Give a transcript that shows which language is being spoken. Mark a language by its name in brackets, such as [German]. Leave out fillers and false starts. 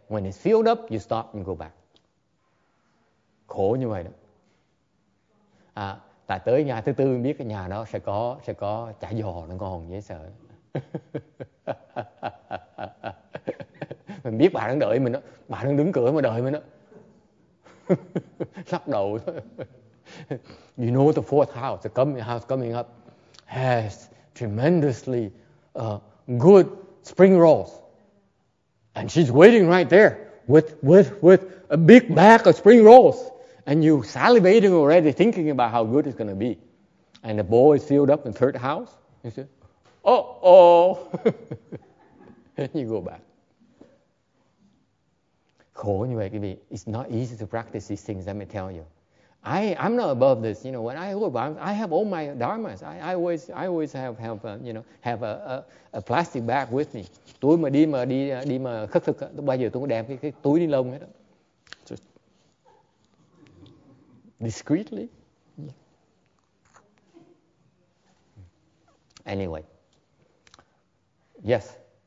[English] When it's filled up, you stop and go back. [Vietnamese] Khổ như vậy đó. À, tại tới nhà thứ tư, biết cái nhà đó sẽ có chả giò nó còn dễ sợ. Mình biết bà đang đợi mình đó. Bà đang đứng cửa mà đợi mình đó. Sắp đầu đó. [English] You know the fourth house, the coming up, has tremendously good spring rolls, and she's waiting right there with a big bag of spring rolls, and you salivating already thinking about how good it's going to be, and the bowl is filled up in third house. You say, oh, and you go back. [Vietnamese] Khổ như vậy, quý vị. [English] It's not easy to practice these things. Let me tell you. I'm not above this, you know. When I go, I have all my dharmas. I always have you know, have a plastic bag with me. [Vietnamese] Tôi mà đi mà khất thực, bao giờ tôi cũng đem cái túi ni lông hết đó. [English] Just discreetly. Anyway, yes.